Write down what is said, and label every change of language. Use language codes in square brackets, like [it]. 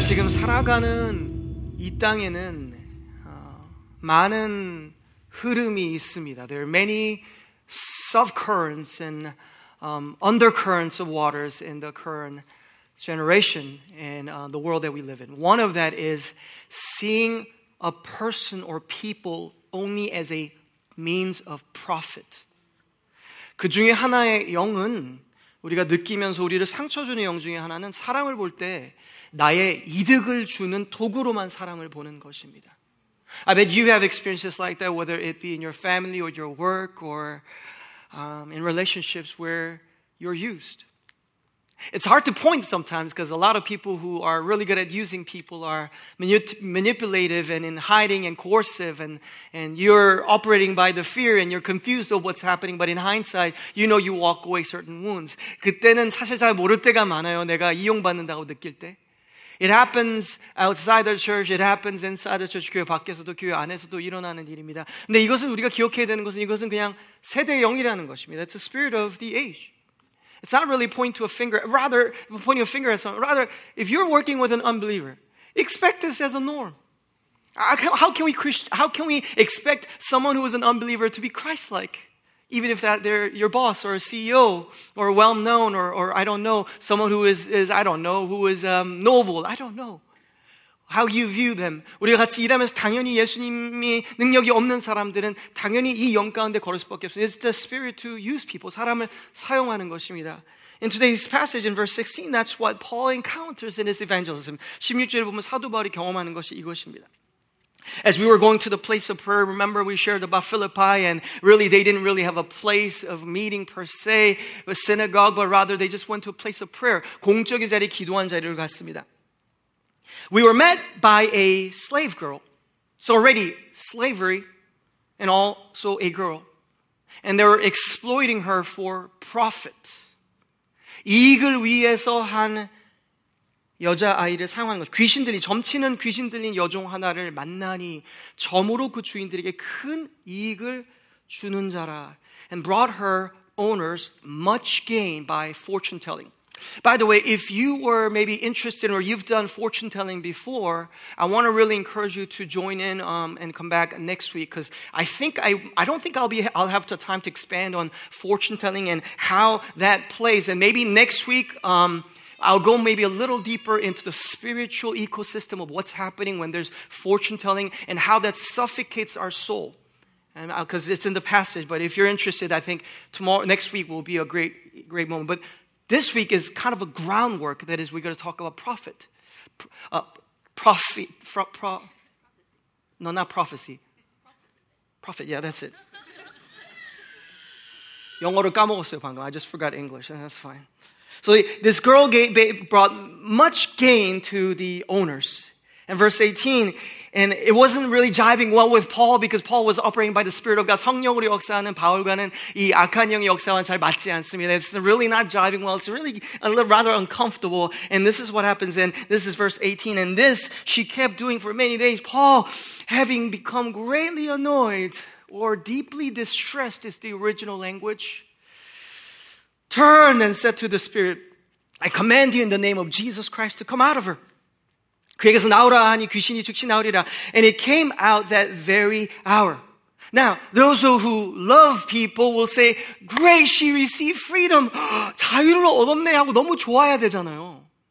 [ko] 살아가는 이 땅에는 많은 흐름이 있습니다. [en] There are many subcurrents and undercurrents of waters in the current generation and the world that we live in. One of that is seeing a person or people only as a means of profit. [ko] 그 중에 하나의 영은 우리가 느끼면서 우리를 상처 주는 영 중에 하나는 사람을 볼 때 나의 이득을 주는 도구로만 사람을 보는 것입니다. [en] I bet you have experiences like that, whether it be in your family or your work or in relationships where you're used. It's hard to point sometimes because a lot of people who are really good at using people are manipulative and in hiding and coercive and you're operating by the fear and you're confused of what's happening. But in hindsight, you know you walk away certain wounds. [ko] 그때는 사실 잘 모를 때가 많아요. 내가 이용받는다고 느낄 때. [en] It happens outside the church. It happens inside the church. [ko] 교회 밖에서도 교회 안에서도 일어나는 일입니다. 근데 이것을 우리가 기억해야 되는 것은 이것은 그냥 세대의 영이라는 것입니다. [en] It's the spirit of the age. It's not really pointing to a finger. Rather, pointing a finger at someone. Rather, if you're working with an unbeliever, expect this as a norm. How can we expect someone who is an unbeliever to be Christ-like, even if that they're your boss or a CEO or well-known or I don't know someone who is noble. I don't know how you view them. [ko] 우리가 같이 일하면서 당연히 예수님이 능력이 없는 사람들은 당연히 이 영 가운데 걸을 수밖에 없어요. [en] It's the spirit to use people, [ko] 사람을 사용하는 것입니다. [en] In today's passage in verse 16, that's what Paul encounters in his evangelism. [ko] 16절에 보면 사도 바울이 경험하는 것이 이것입니다. [en] As we were going to the place of prayer, remember we shared about Philippi and really they didn't really have a place of meeting per se, a synagogue, but rather they just went to a place of prayer. [ko] 공적인 자리, 기도한 자리를 갔습니다. [en] We were met by a slave girl. So already slavery and also a girl. And they were exploiting her for profit. [ko] 이익을 위해서 한 여자아이를 사용하는 것. 귀신들이, 점치는 귀신들린 여종 하나를 만나니 점으로 그 주인들에게 큰 이익을 주는 자라. [en] And brought her owners much gain by fortune telling. By the way, if you were maybe interested or you've done fortune telling before, I want to really encourage you to join in and come back next week because I don't think I'll have the time to expand on fortune telling and how that plays. And maybe next week I'll go maybe a little deeper into the spiritual ecosystem of what's happening when there's fortune telling and how that suffocates our soul. And because it's in the passage, but if you're interested, I think tomorrow next week will be a great moment. But this week is kind of a groundwork. That is, we're going to talk about prophet. Not prophecy. Prophet, yeah, that's it. [ko] 영어를 까먹었어요, 방금. [en] I just forgot English, and that's fine. So this girl brought much gain to the owners. And verse 18, and it wasn't really jiving well with Paul because Paul was operating by the Spirit of God. [ko] 성령으로 역사하는 바울과는 이 악한 영의 역사와는 잘 맞지 않습니다. [en] It's really not jiving well. It's really a little rather uncomfortable. And this is what happens. And this is verse 18. And this she kept doing for many days. Paul, having become greatly annoyed or deeply distressed, is the original language, turned and said to the Spirit, I command you in the name of Jesus Christ to come out of her. [ko] 그에게서 나오라 하니 귀신이 즉시 나오리라. [en] And it came out that very hour. Now, those who love people will say, great, she received freedom. [ko] 자유를 얻었네 하고 너무 좋아야 되잖아요.